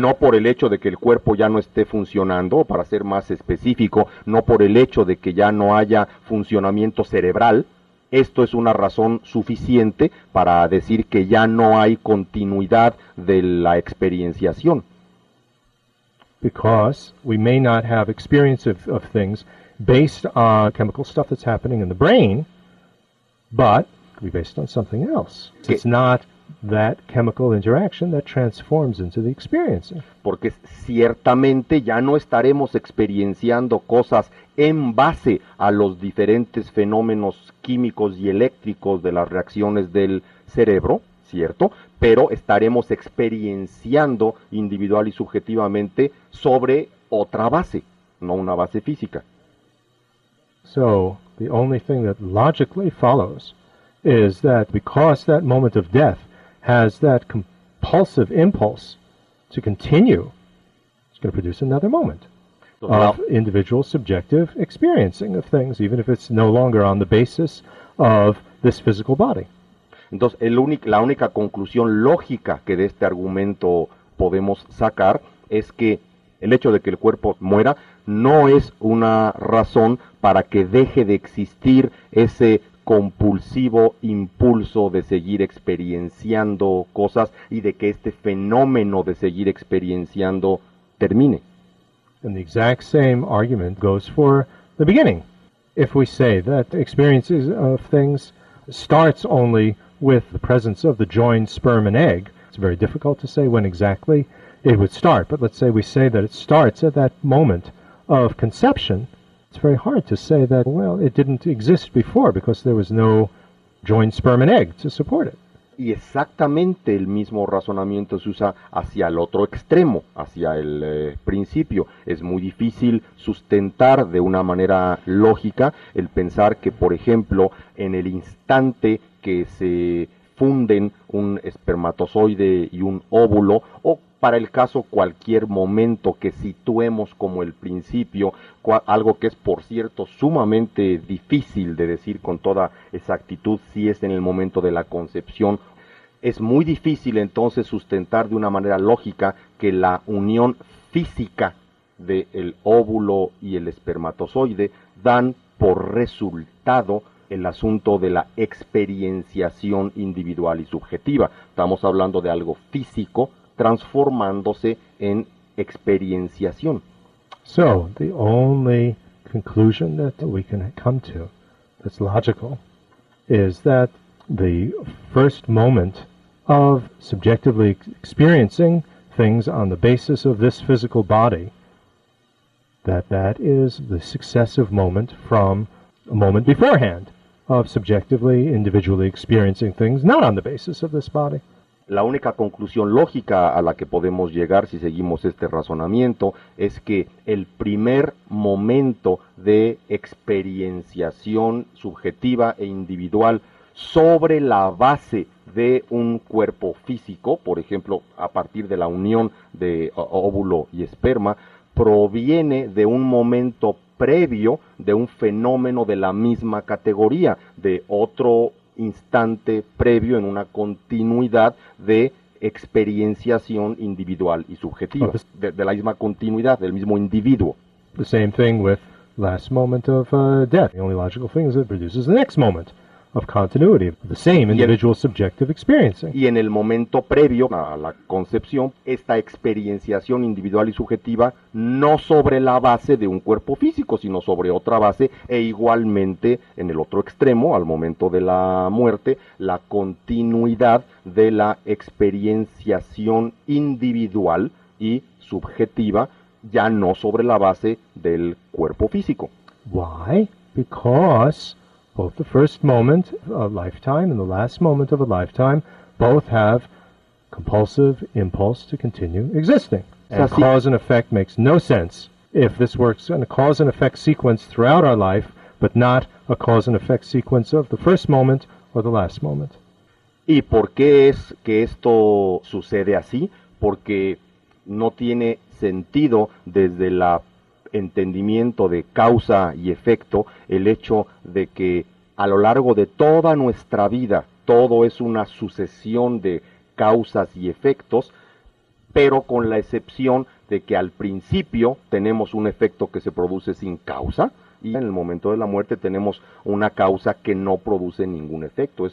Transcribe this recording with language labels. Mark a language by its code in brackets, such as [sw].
[es] No por el hecho de que el cuerpo ya no esté funcionando, para ser más específico, no por el hecho de que ya no haya funcionamiento cerebral, esto es una razón suficiente para decir que ya no hay continuidad de la experienciación. [en] Because we may not have experience of things based on chemical stuff that's happening in the brain, but be based on something else. It's not that chemical interaction that transforms into the experience. [es] Porque ciertamente ya no estaremos experienciando cosas en base a los diferentes fenómenos químicos y eléctricos de las reacciones del cerebro, ¿cierto? Pero estaremos experienciando individual y subjetivamente sobre otra base, no una base física. [en] So, the only thing that logically follows is that because that moment of death has that compulsive impulse to continue, it's going to produce another moment of individual subjective experiencing of things, even if it's no longer on the basis of this physical body. [es] Entonces, la única conclusión lógica que de este argumento podemos sacar es que el hecho de que el cuerpo muera no es una razón para que deje de existir ese compulsivo impulso de seguir experienciando cosas y de que este fenómeno de seguir experienciando termine. [en] And the exact same argument goes for the beginning. If we say that experiences of things starts only with the presence of the joined sperm and egg, it's very difficult to say when exactly it would start, but let's say we say that it starts at that moment of conception. It's very hard to say that, well, it didn't exist before because there was no joined sperm and egg to support it. [es] Y exactamente el mismo razonamiento se usa hacia el otro extremo, hacia el principio. Es muy difícil sustentar de una manera lógica el pensar que, por ejemplo, en el instante que se funden un espermatozoide y un óvulo, o para el caso cualquier momento que situemos como el principio, algo que es por cierto sumamente difícil de decir con toda exactitud si es en el momento de la concepción, es muy difícil entonces sustentar de una manera lógica que la unión física del óvulo y el espermatozoide dan por resultado el asunto de la experienciación individual y subjetiva. Estamos hablando de algo físico transformándose en experienciación. [en] So, the only conclusion that we can come to that's logical is that the first moment of subjectively experiencing things on the basis of this physical body, that is the successive moment from a moment beforehand of subjectively, individually experiencing things not on the basis of this body. [es] La única conclusión lógica a la que podemos llegar si seguimos este razonamiento es que el primer momento de experienciación subjetiva e individual sobre la base de un cuerpo físico, por ejemplo, a partir de la unión de óvulo y esperma, proviene de un momento previo de un fenómeno de la misma categoría, de otro instante previo en una continuidad de experienciación individual y subjetiva, de la misma continuidad, del mismo individuo. [en] The same thing with last moment of death. The only logical thing is that it produces the next moment of continuity, the same individual subjective experiencing. [es] Y en el momento previo a la concepción, esta experienciación individual y subjetiva, no sobre la base de un cuerpo físico, sino sobre otra base, e igualmente en el otro extremo, al momento de la muerte, la continuidad de la experienciación individual y subjetiva, ya no sobre la base del cuerpo físico. [en] Why? Because both the first moment of a lifetime and the last moment of a lifetime both have compulsive impulse to continue existing. And cause and effect makes no sense if this works in a cause and effect sequence throughout our life, but not a cause and effect sequence of the first moment or the last moment. [es] ¿Y por qué es que esto sucede así? Porque no tiene sentido desde la entendimiento de causa y efecto, el hecho de que a lo largo de toda nuestra vida todo es una sucesión de causas y efectos, pero con la excepción de que al principio tenemos un efecto que se produce sin causa y en el momento de la muerte tenemos una causa que no produce ningún efecto.